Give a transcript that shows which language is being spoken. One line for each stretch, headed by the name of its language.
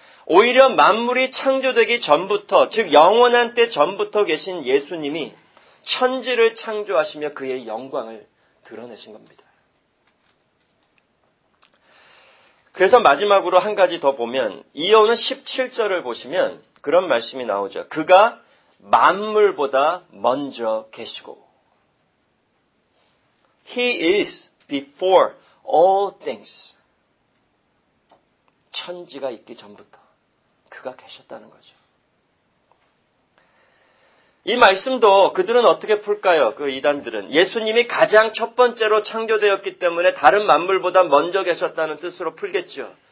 Korean: 오히려 만물이 창조되기 전부터, 즉 영원한 때 전부터 계신 예수님이 천지를 창조하시며 그의 영광을 드러내신 겁니다. 그래서 마지막으로 한 가지 더 보면 이어오는 17절을 보시면 그런 말씀이 나오죠. 그가 만물보다 먼저 계시고
English: He is before all things.
Korean: 천지가 있기 전부터 그가 계셨다는 거죠. 이 말씀도 그들은 어떻게 풀까요? 그 이단들은. 예수님이 가장 첫 번째로 창조되었기 때문에 다른 만물보다 먼저 계셨다는 뜻으로 풀겠죠.